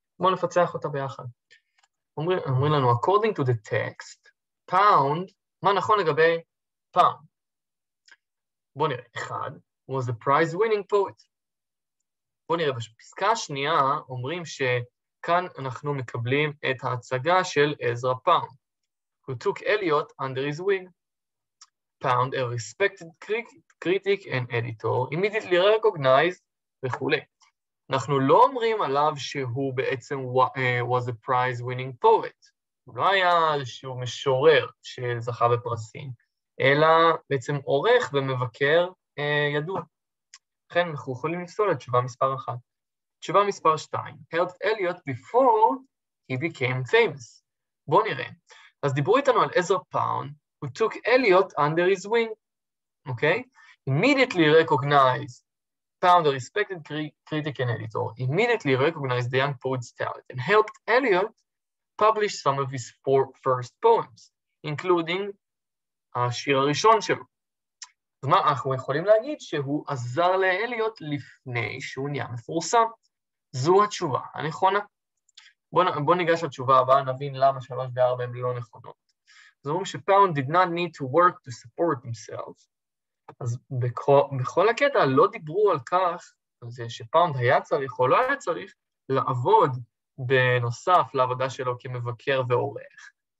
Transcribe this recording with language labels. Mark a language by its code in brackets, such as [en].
[he] בואו נפצח אותה ביחד. אומרים לנו, [en] according to the text, [he] pound, מה נכון לגבי pound? בואו נראה, אחד, [en] was the prize winning poet. [he] בואו נראה, בפסקה השנייה אומרים שכאן אנחנו מקבלים את ההצגה של עזרא פאונד, [en] who took Eliot under his wing. Pound, a respected critic and editor, immediately recognized וכו'. [he] אנחנו לא אומרים עליו שהוא בעצם [en] was a prize winning poet. [he] הוא לא היה איזשהו משורר שזכה בפרסים, אלא בעצם עורך ומבקר ידוע. לכן אנחנו יכולים לפסול את תשובה מספר 1. תשובה מספר 2. [en] Helped Eliot before he became famous. [he] בואו נראה. אז דיברו איתנו על עזרא פאונד, [en] who took Eliot under his wing, okay? Immediately recognized Pound, a respected critic and editor, immediately recognized the young poet's talent and helped Eliot publish some of his four first poems, including [he] השיר הראשון שלו. אז מה אנחנו יכולים להגיד? שהוא עזר לאליוט לפני שהוא נהיה מפורסם. זו התשובה הנכונה. בוא ניגש לתשובה הבאה, נבין למה 3 ו-4 הם לא נכונות. זאת אומרת שפאונד [en] did not need to work to support himself. [he] אז בכל הקטע לא דיברו על כך, זה שפאונד היה צריך או לא היה צריך, לעבוד בנוסף לעבודה שלו כמבקר ועורך.